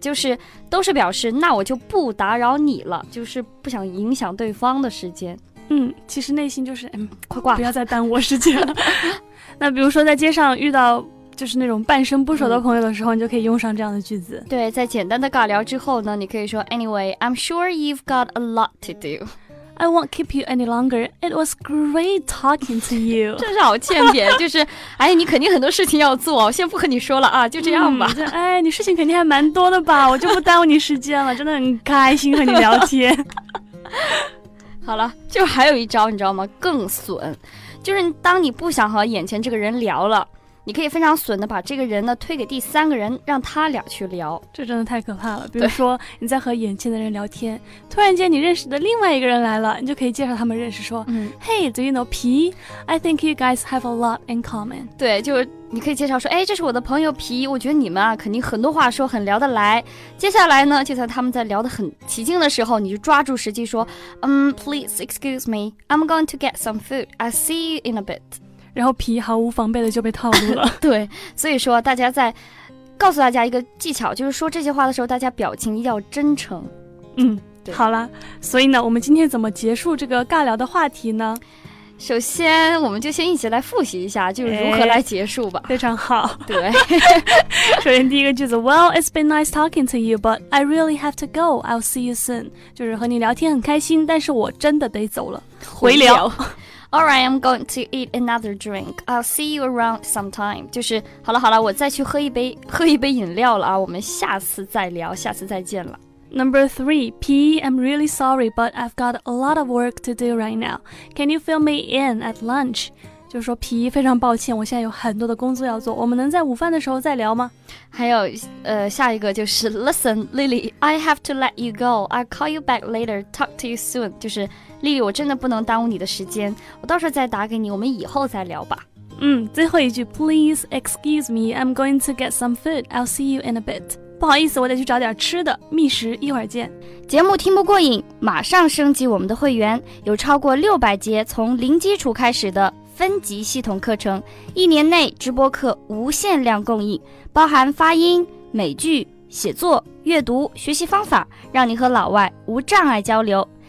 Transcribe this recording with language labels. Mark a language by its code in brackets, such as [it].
[zh] 就是都是表示那我就不打扰你了，就是不想影响对方的时间。其实内心就是快挂，不要再耽误时间了。那比如说在街上遇到就是那种半生不熟的朋友的时候，你就可以用上这样的句子。对，在简单的尬聊之后呢，你可以说 [en] Anyway, I'm sure you've got a lot to do. I won't keep you any longer. It was great talking to you. [zh] 真是好欠扁，就是，哎，你肯定很多事情要做，我先不和你说了啊，就这样吧。哎，你事情肯定还蛮多的吧，我就不耽误你时间了，真的很开心和你聊天。好了，就还有一招，你知道吗？更损，就是当你不想和眼前这个人聊了，你可以非常损的把这个人呢推给第三个人，让他俩去聊，这真的太可怕了。比如说你在和眼前的人聊天，突然间你认识的另外一个人来了，你就可以介绍他们认识，说、 [en] Hey, do you know P? I think you guys have a lot in common. [zh] 对，就你可以介绍说，哎，这是我的朋友皮，我觉得你们啊肯定很多话说，很聊得来。接下来呢，就在他们在聊得很起劲的时候，你就抓住时机说， [en] please excuse me, I'm going to get some food. I'll see you in a bit. [zh] 然后皮毫无防备的就被套路了。对，所以说大家在告诉大家一个技巧，就是说这些话的时候，大家表情一定要真诚。对，好了，所以呢，我们今天怎么结束这个尬聊的话题呢？首先我们就先一起来复习一下，就是如何来结束吧。非常好。对。首先第一个句子， [en] Well, it's been nice talking to you, but I really have to go. I'll see you soon. [zh] 就是和你聊天很开心，但是我真的得走了。回聊。 [en] All right, I'm going to eat another drink. I'll see you around sometime. [zh] 就是好了好了，我再去喝一杯饮料了啊，我们下次再聊，下次再见了。 [en] Number three, P, I'm really sorry, but I've got a lot of work to do right now. Can you fill me in at lunch? [zh] 就是说 P, 非常抱歉，我现在有很多的工作要做，我们能在午饭的时候再聊吗？还有下一个就是 [en] Listen, Lily, I have to let you go. I'll call you back later. Talk to you soon. [zh] 就是 Lily, 我真的不能耽误你的时间，我到时候再打给你，我们以后再聊吧。最后一句， [en] Please excuse me, I'm going to get some food. I'll see you in a bit. [zh] 不好意思，我得去找点吃的，觅食，一会儿见。节目听不过瘾，马上升级我们的会员，有超过600节从零基础开始的分级系统课程，一年内直播课无限量供应，包含发音、美剧、写作、阅读、学习方法，让你和老外无障碍交流。